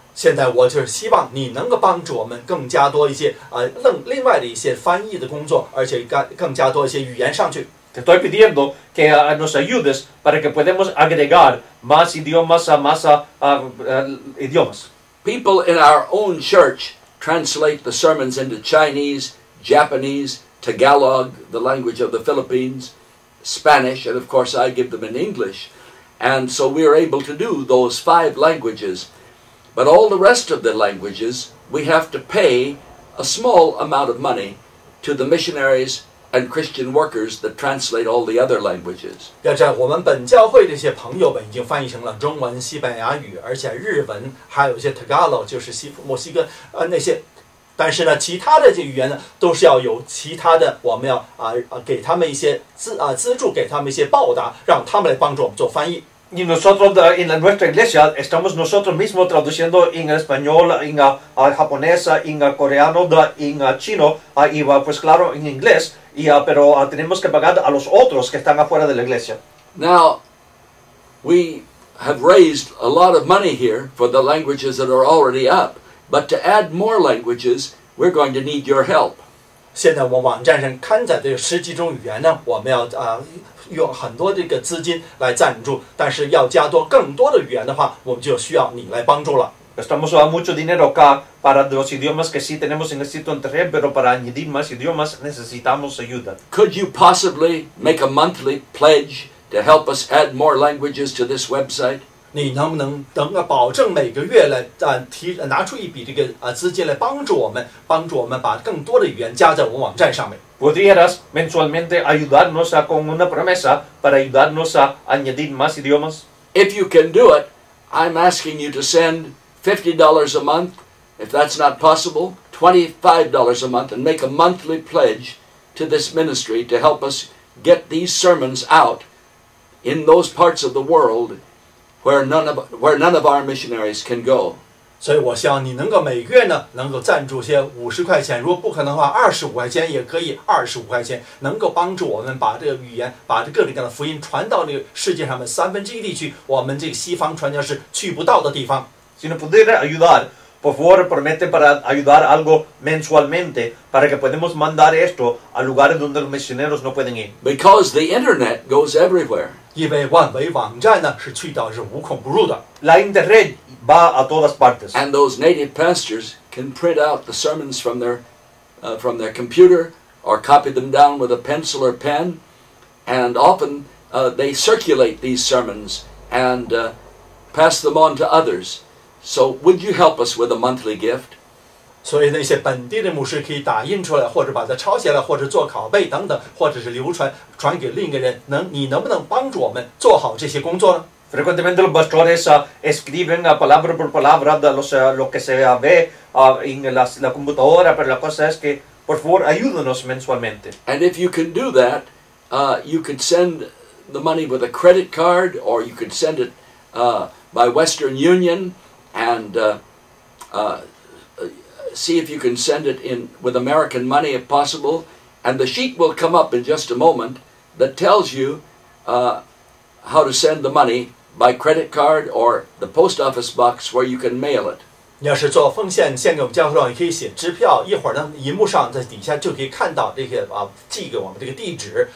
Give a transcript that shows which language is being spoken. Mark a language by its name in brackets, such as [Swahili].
[Chinese] 现在我就是希望你能够帮助我们更加多一些另外的一些翻译的工作，而且更加多一些语言上去。 [Spanish] Te estoy pidiendo que nos ayudes para que podamos agregar más idiomas a más idiomas. [English] People in our own church translate the sermons into Chinese, Japanese, Tagalog, the language of the Philippines, Spanish, and of course I give them in English. And so we are able to do those five languages. But all the rest of the languages, we have to pay a small amount of money to the missionaries and Christian workers that translate all the other languages. [Chinese] 要知道，我们本教会的一些朋友们已经翻译成了中文、西班牙语，而且日文，还有一些 Tagalog， 就是墨西哥那些。但是呢，其他的这语言呢，都是要有其他的，我们要给他们一些资助，给他们一些报答，让他们来帮助我们做翻译。 [Spanish] Y nosotros en nuestra iglesia estamos nosotros mismos traduciendo en español, en japonés, en coreano, en chino, y pues claro, en inglés, pero tenemos que pagar a los otros que están afuera de la iglesia. [English] Now, we have raised a lot of money here for the languages that are already up, but to add more languages, we're going to need your help. [Chinese] 现在我们网站上刊载的十几种语言呢，我们要用很多这个资金来赞助，但是要加多更多的语言的话，我们就需要你来帮助了。 [Spanish] Estamos usando mucho dinero acá para los idiomas que sí tenemos en el sitio internet, pero para añadir más idiomas necesitamos ayuda. [English] Could you possibly make a monthly pledge to help us add more languages to this website? [Chinese] 你能不能保证每个月来拿出一笔这个资金来帮助我们，帮助我们把更多的语言加在我们网站上面？ [Spanish] ¿Podrías mensualmente ayudarnos con una promesa para ayudarnos a añadir más idiomas? [English] If you can do it, I'm asking you to send $50 a month. If that's not possible, $25 a month and make a monthly pledge to this ministry to help us get these sermons out in those parts of the world where none of our missionaries can go. [Chinese] 所以我希望你能够每个月呢能够赞助些50块钱，如果不可能的话25块钱也可以，25块钱能够帮助我们把这个语言，把这各种各样的福音传到这个世界上面1/3地区，我们这个西方传教士去不到的地方。 [Spanish] Si nos pudiera ayudar, por favor promete para ayudar algo mensualmente para que podamos mandar esto a lugares donde los misioneros no pueden ir. [English] Because the internet goes everywhere. [Chinese] 因为万维网站呢是去到是无孔不入的。 [Spanish] La internet va a todas partes. [English] And those native pastors can print out the sermons from their computer or copy them down with a pencil or pen, and often they circulate these sermons and pass them on to others. So would you help us with a monthly gift? [Chinese] 所以那些本地的牧师可以打印出来，或者把它抄写了，或者做拷贝等等，或者是流传传给另一个人。能你能不能帮助我们做好这些工作呢 [Spanish] ？Frecuentemente los pastores escriben palabra por palabra de lo que se ve en la computadora, pero la cosa es que por favor ayúdenos mensualmente. [English] And if you can do that, you could send the money with a credit card, or you could send it by Western Union. And see if you can send it in with American money if possible. And the sheet will come up in just a moment that tells you how to send the money by credit card or the post office box where you can mail it. [Chinese] 你要是做奉献献给我们教会的话，你可以写支票。一会儿呢，荧幕上在底下就可以看到这些啊，寄给我们这个地址。